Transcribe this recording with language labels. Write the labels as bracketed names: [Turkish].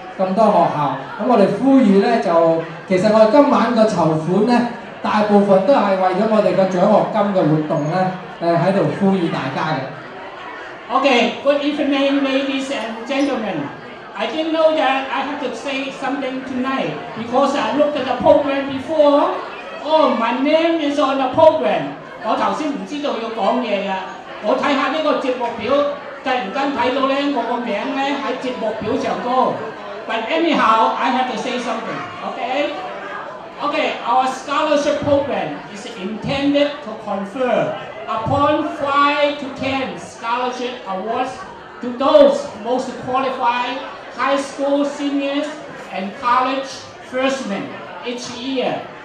[Cantonese] 咁多學校，咁我哋呼籲咧就，其實我哋今晚個籌款咧，大部分都係為咗我哋個獎學金嘅活動咧，喺度呼籲大家嘅。 [English] Okay, good evening, ladies and gentlemen. I didn't know that I have to say something tonight because I looked at the program before. Oh, my name is on the program. [Cantonese] 我頭先唔知道要講嘢啊，我睇下呢個節目表，突然間睇到咧我個名咧喺節目表上高。 [English] But anyhow, I have to say something, okay? Okay, our scholarship program is intended to confer upon 5 to 10 scholarship awards to those most qualified high school seniors and college freshmen each year.